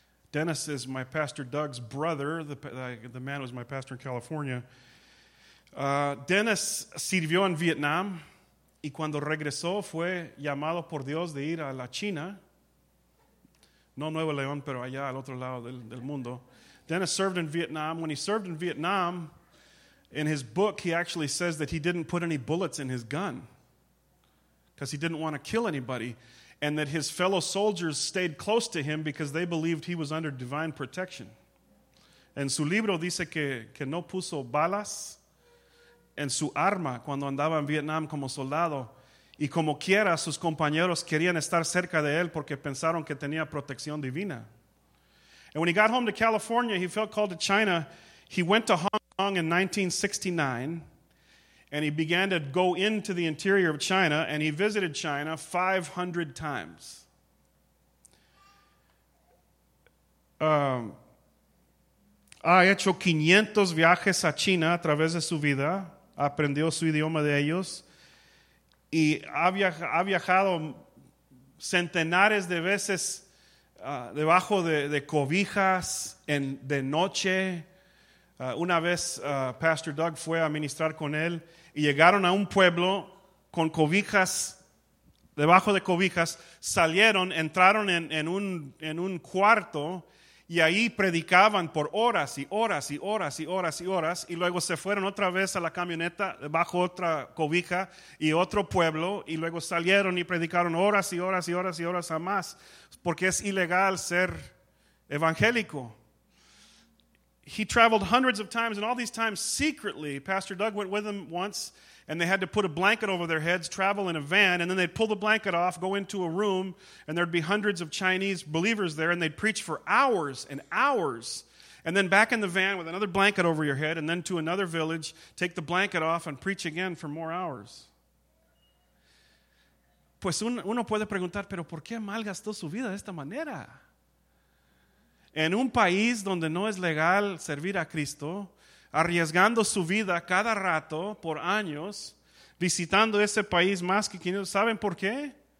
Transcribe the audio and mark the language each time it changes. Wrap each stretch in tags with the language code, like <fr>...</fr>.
<en>Dennis is my pastor Doug's brother, the man who was my pastor in California.</en> <es>Dennis sirvió en Vietnam, y cuando regresó fue llamado por Dios de ir a la China, no Nuevo León, pero allá al otro lado del mundo.</es> <en>Dennis served in Vietnam. When he served in Vietnam, in his book, he actually says that he didn't put any bullets in his gun because he didn't want to kill anybody, and that his fellow soldiers stayed close to him because they believed he was under divine protection.</en> <es>En su libro dice que no puso balas en su arma cuando andaba en Vietnam como soldado, y como quiera sus compañeros querían estar cerca de él porque pensaron que tenía protección divina.</es> <en>And when he got home to California, he felt called to China. He went to Hong Kong in 1969, and he began to go into the interior of China, and he visited China 500 times.</en> <es>Ha hecho 500 viajes a China a través de su vida. Aprendió su idioma de ellos. Y ha viajado centenares de veces debajo de cobijas de noche. Una vez Pastor Doug fue a ministrar con él y llegaron a un pueblo con cobijas, debajo de cobijas, salieron, entraron en un cuarto y ahí predicaban por horas y horas y horas y horas y horas, y luego se fueron otra vez a la camioneta bajo otra cobija y otro pueblo, y luego salieron y predicaron horas y horas y horas y horas a más, porque es ilegal ser evangélico.</es> <en>He traveled hundreds of times, and all these times secretly. Pastor Doug went with him once, and they had to put a blanket over their heads, travel in a van, and then they'd pull the blanket off, go into a room, and there'd be hundreds of Chinese believers there, and they'd preach for hours and hours. And then back in the van with another blanket over your head, and then to another village, take the blanket off and preach again for more hours.</en> <es>pues uno puede preguntar, pero ¿por qué mal gastó su vida de esta manera? En un país donde no es legal servir a Cristo, arriesgando su vida cada rato por años, visitando ese país más que 500, ¿saben por qué?</es>